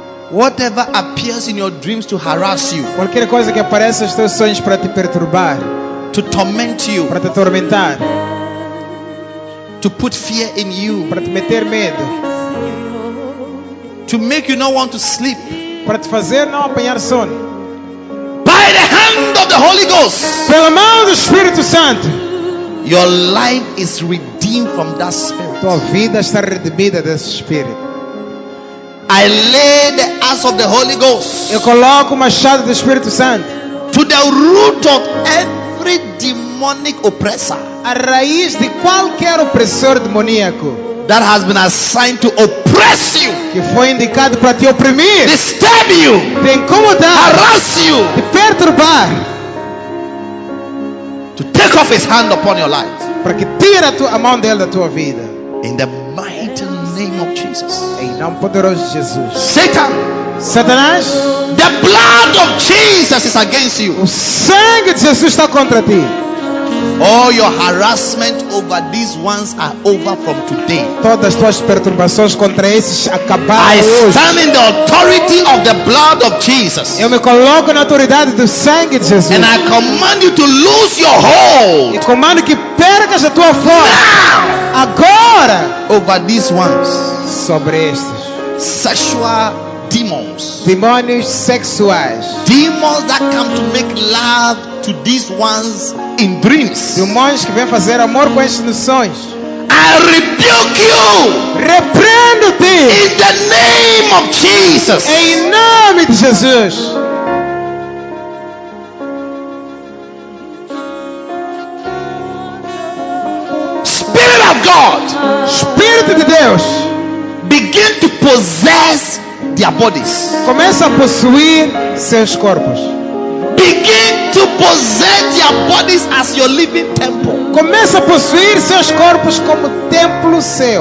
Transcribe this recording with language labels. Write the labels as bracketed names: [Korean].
[English] Whatever appears in your dreams to harass you. [Portuguese] Qualquer coisa que apareça nos teus sonhos para te perturbar. [English] To torment you. [Portuguese] Para te atormentar. [English] To put fear in you. [Portuguese] Para te meter medo. [English] To make you not want to sleep. [Portuguese] Para te fazer não apanhar sono. [English] By the hand of the Holy Ghost. [Portuguese] Pela mão do Espírito Santo. [English] Your life is redeemed from that spirit. [Portuguese] Tua vida está redimida desse espírito. [English] I lay the ass of the Holy Ghost. [Portuguese] Eu coloco o machado do Espírito Santo. [English] To the root of every demonic oppressor. [Portuguese] A raiz de qualquer opressor demoníaco. [English] That has been assigned to oppress you. [Portuguese] Que foi indicado para te oprimir. [English] Disturb you. [Portuguese] Te incomodar. [English] Harass you. [Portuguese] Te perturbar. [English] To take off his hand upon your life. [Portuguese] Para que tire a tua mão dele da tua vida. [English] In the mighty name of Jesus. [Portuguese] Em nome poderoso de Jesus. [English] Satan. [Portuguese] Satanás. [English] The blood of Jesus is against you. [Portuguese] O sangue de Jesus está contra ti. [English] All your harassment over these ones are over from today. [Portuguese] Todas as tuas perturbações contra esses acabaram hoje. [English] I stand in the authority of the blood of Jesus. [Portuguese] Eu me coloco na autoridade do sangue de Jesus. [English] And I command you to lose your hold. [Portuguese] E comando que percas a tua força. [English] Now. [Portuguese] Agora. [English] Over these ones. [Portuguese] Sobre estes. [English] Sexual demons. [Portuguese] Demônios sexuais. [English] Demons that come to make love to these ones. In dreams. [Portuguese] Demônios que vem fazer amor com estes nos sonhos. [English] I rebuke you. [Portuguese] Repreendo-te. [English] In the name of Jesus. [Portuguese] Em nome de Jesus. [English] Spirit of God. [Portuguese] Espírito de Deus. [English] Begin to possess their bodies. [Portuguese] Começa a possuir seus corpos. [English] Begin to possess your bodies as your living temple. [Portuguese] Começa a possuir seus corpos como templo seu.